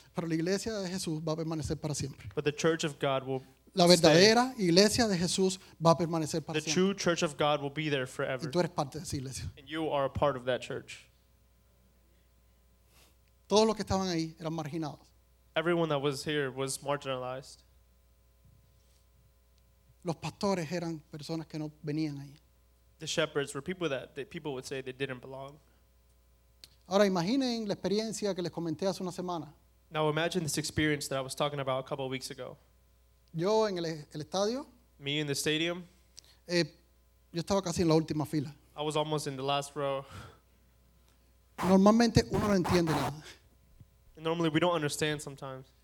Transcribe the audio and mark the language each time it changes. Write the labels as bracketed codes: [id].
[es] Pero la iglesia de Jesús va a permanecer para siempre. [en] But the church of God will [es] La verdadera iglesia de Jesús va a permanecer para [en] the [es] siempre. [en] The true church of God will be there forever. [es] Y tú eres parte de esa iglesia. [en] And you are a part of that church. [es] Todos los que estaban ahí eran marginados. [en] Everyone that was here was marginalized. [es] Los pastores eran personas que no venían ahí. [en] The shepherds were people that people would say they didn't belong. [es] Ahora imaginen la experiencia que les comenté hace una semana. [en] Now imagine this experience that I was talking about a couple of weeks ago. [es] Yo en el estadio. [en] Me in the stadium. [es] Yo estaba casi en la última fila. [en] I was almost in the last row. [es] Normalmente uno no entiende nada. [en] Normally we don't understand sometimes.